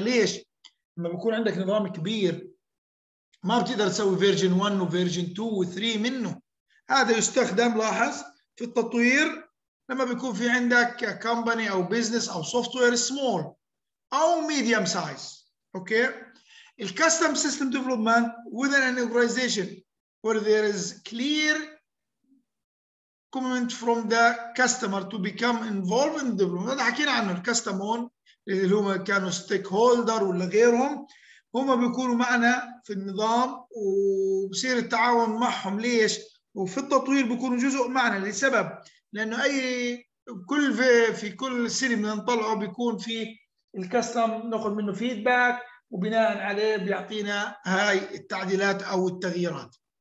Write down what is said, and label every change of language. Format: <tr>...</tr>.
<ar>ليش؟ لما بيكون عندك نظام كبير ما بتقدر تسوي فيرجن 1 وفيرجن 2 و3 منه. هذا يستخدم لاحظ في التطوير لما بيكون في عندك كومباني او بزنس او سوفت وير سمول او ميديوم سايز.</ar> <en>Okay, الكاستم system development within an organization where there is clear comment from the customer to become involved in the development.</en> <ar>هذا حكينا عنه، الكاستم هون اللي هم كانوا ستيك هولدر ولا غيرهم، هم بيكونوا معنا في النظام وبصير التعاون معهم. ليش؟ وفي التطوير بيكونوا جزء معنا. لسبب، لانه اي كل في كل سنه بدنا نطلعه بيكون في الكاستم ناخذ منه فيدباك وبناء عليه بيعطينا هاي التعديلات او التغييرات.</ar>